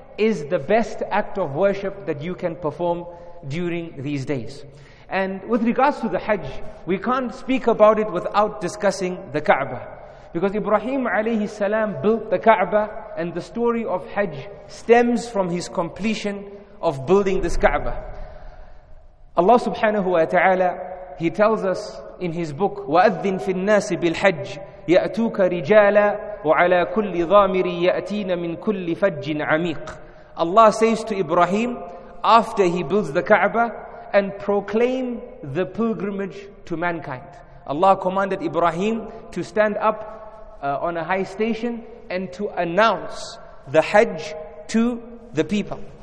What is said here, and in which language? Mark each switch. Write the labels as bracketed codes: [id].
[en] is the best act of worship that you can perform during these days. And with regards to the Hajj, we can't speak about it without discussing the Kaaba. Because Ibrahim alayhi salam built the Kaaba, and the story of Hajj stems from his completion of building this Kaaba. Allah subhanahu wa ta'ala, he tells us in his book, [ar] وَأَذِّنْ فِي النَّاسِ بِالْحَجِّ يَأْتُوكَ رِجَالًا وَعَلَى كُلِّ ضَامِرٍ يَأْتِينَ مِنْ كُلِّ فَجٍّ عَمِيقٍ. [en] Allah says to Ibrahim, after he builds the Kaaba, and proclaim the pilgrimage to mankind. Allah commanded Ibrahim to stand up on a high station and to announce the Hajj to the people.